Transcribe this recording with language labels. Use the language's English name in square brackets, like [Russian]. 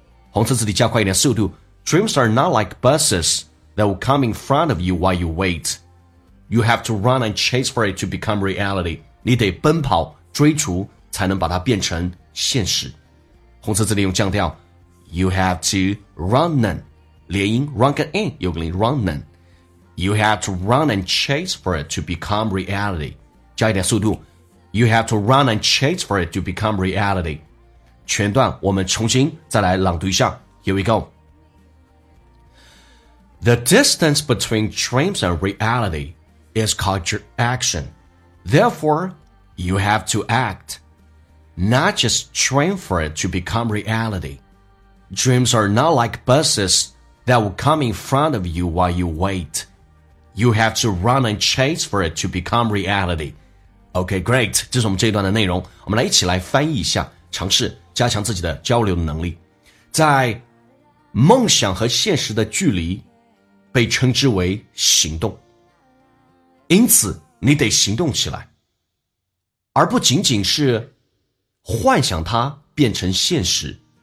[Chinese] 红色字体加快一点速度。 [English] Dreams are not like buses that will come in front of you while you wait. You have to run and chase for it to become reality. [Chinese] 你得奔跑追逐才能把它变成现实。红色字体用降调。 [English] You have to run and [Chinese] 连音 [English] run 跟 in [Chinese] 有个连 [English] run and. You have to run and chase for it to become reality. [Chinese] 加一点速度。 [English] You have to run and chase for it to become reality. [Chinese] 全段我们重新再来朗读一下。 [English] Here we go. The distance between dreams and reality is called action. Therefore, you have to act. Not just dream for it to become reality. Dreams are not like buses that will come in front of you while you wait. You have to run and chase for it to become reality. OK, great, [Chinese] 这是我们这一段的内容。我们来一起来翻译一下，尝试加强自己的交流能力。在梦想和现实的距离被称之为行动。因此你得行动起来。而不仅仅是幻想它变成现实。